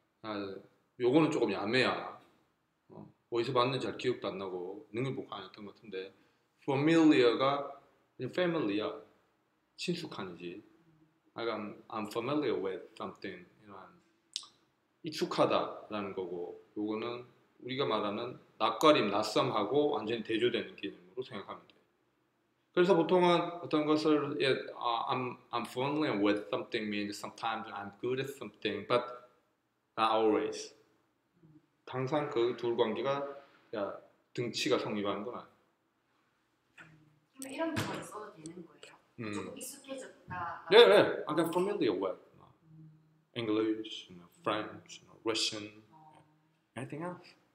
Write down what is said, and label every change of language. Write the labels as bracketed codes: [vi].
[ko] 아, 요거는 조금 야매야. 어디서 봤는지 잘 기억도 안 나고 능력 못 가졌던 것 같은데 familiar가 family야. 친숙한지. [en] I'm familiar with something. [ko] 이런 익숙하다라는 거고 요거는 우리가 말하는 낯가림, 낯섬하고 완전히 대조되는 개념으로 생각합니다. 그래서 보통은 어떤 것을 [en] I'm familiar with something means sometimes I'm good at something, but not always. [ko] 항상 그 둘 관계가 등치가 성립하는 거야. 그럼 이런 부분을 써도 되는 거예요? 조금 익숙해졌다. 네, 네. [en] I'm familiar with English, you know, French, you know, Russian, anything else.